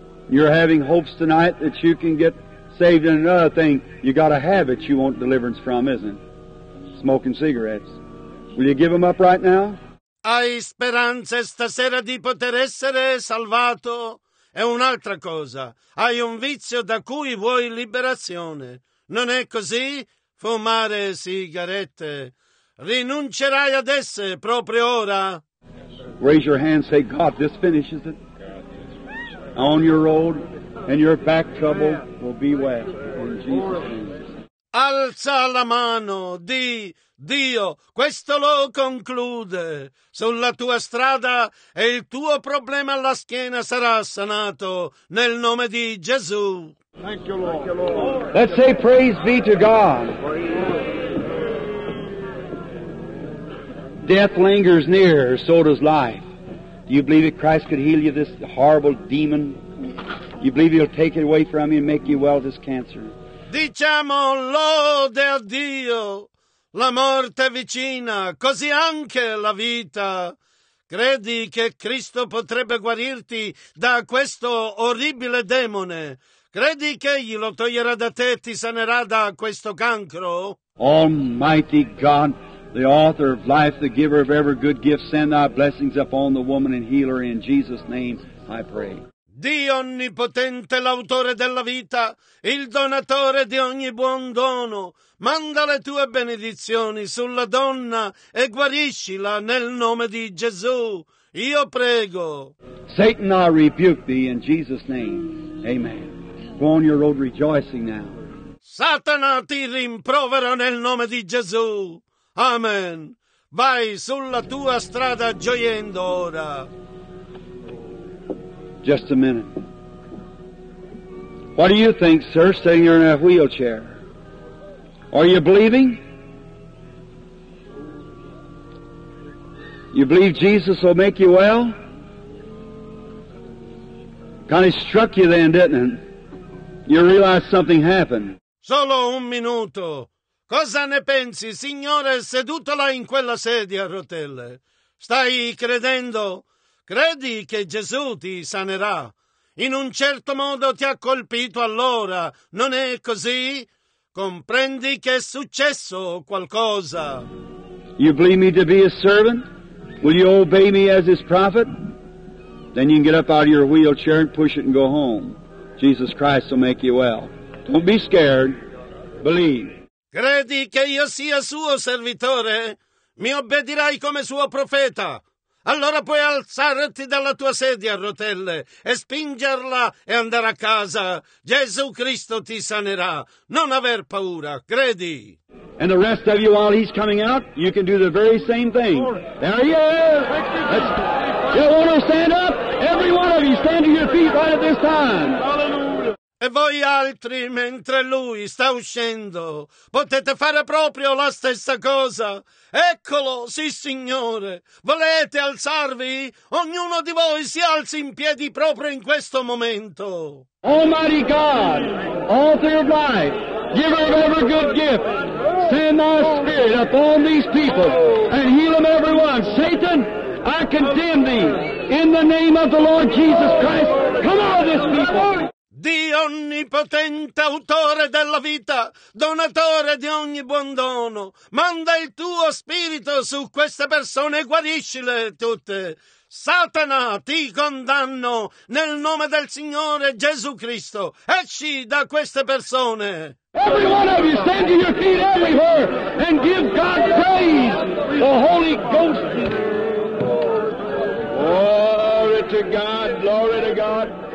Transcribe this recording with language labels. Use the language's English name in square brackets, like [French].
[English] You're having hopes tonight that you can get saved in another thing. You got a habit you want deliverance from, isn't it? Smoking cigarettes. Will you give them up right now? [Italian] Hai speranze stasera di poter essere salvato? È un'altra cosa. Hai un vizio da cui vuoi liberazione. Non è così? Fumare sigarette. Rinuncerai ad esse proprio ora? [English] Raise your hand, say, God, this finishes it. On your road, and your back trouble will be well. In Jesus' name. [Italian] Alza la mano, di, Dio, questo lo conclude. Sulla tua strada e il tuo problema alla schiena sarà sanato nel nome di Gesù. [English] Thank you, Lord. Let's say praise be to God. Death lingers near, so does life. Do you believe that Christ could heal you, this horrible demon? You believe he'll take it away from you and make you well, this cancer? [Italian] Diciamo lode a Dio, la morte vicina, così anche la vita. Credi che Cristo potrebbe guarirti da questo orribile demone? Credi che egli lo toglierà da te e ti sanerà da questo cancro? [English] Almighty God, the author of life, the giver of every good gift, send thy blessings upon the woman and heal her in Jesus' name, I pray. [Italian] Dio onnipotente, l'autore della vita, il donatore di ogni buon dono, manda le tue benedizioni sulla donna e guariscila nel nome di Gesù. Io prego. [English] Satan, I rebuke thee in Jesus' name. Amen. Go on your road rejoicing now. [Italian] Satana, ti rimprovero nel nome di Gesù. Amen. Vai sulla tua strada gioiendo ora. [English] Just a minute. What do you think, sir, sitting here in a wheelchair? Are you believing? You believe Jesus will make you well? Kind of struck you then, didn't it? You realize something happened. [Italian] Solo un minuto. Cosa ne pensi, signore, seduto là in quella sedia a rotelle? Stai credendo? Credi che Gesù ti sanerà? In un certo modo ti ha colpito allora, non è così? Comprendi che è successo qualcosa? [English] You believe me to be a servant? Will you obey me as his prophet? Then you can get up out of your wheelchair and push it and go home. Jesus Christ will make you well. Don't be scared. Believe. [Italian] Credi che io sia suo servitore? Mi obbedirai come suo profeta. Allora puoi alzarti dalla tua sedia a rotelle e spingerla e andare a casa. Gesù Cristo ti sanerà. Non aver paura. Credi. [English] And the rest of you, while he's coming out, you can do the very same thing. There he is. You want to stand up? Every one of you, stand to your feet right at this time. [Italian] E voi altri, mentre lui sta uscendo, potete fare proprio la stessa cosa. Eccolo, sì signore, volete alzarvi? Ognuno di voi si alzi in piedi proprio in questo momento. [English] Almighty God, author of life, giver of every good gift, send thy spirit upon these people and heal them everyone. Satan, I condemn thee in the name of the Lord Jesus Christ. Come out of this people. [Italian] Dio onnipotente, autore della vita, donatore di ogni buon dono, manda il tuo spirito su queste persone e guariscile tutte. Satana, ti condanno nel nome del Signore Gesù Cristo. Esci da queste persone. [English] Every one of you, stand to your feet everywhere and give God praise, the Holy Ghost. Glory to God, glory to God.